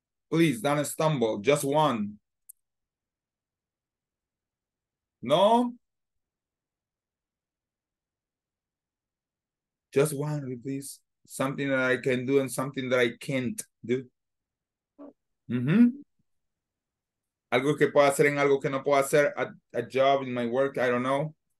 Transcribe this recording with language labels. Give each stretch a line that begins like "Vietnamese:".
English: Please, don't stumble. Just one. No? Just one, please. Something that I can do and something that I can't do. Mm-hmm.
Spanish: Algo que puedo hacer en algo que no puedo hacer.
English: A job in my work, I don't know.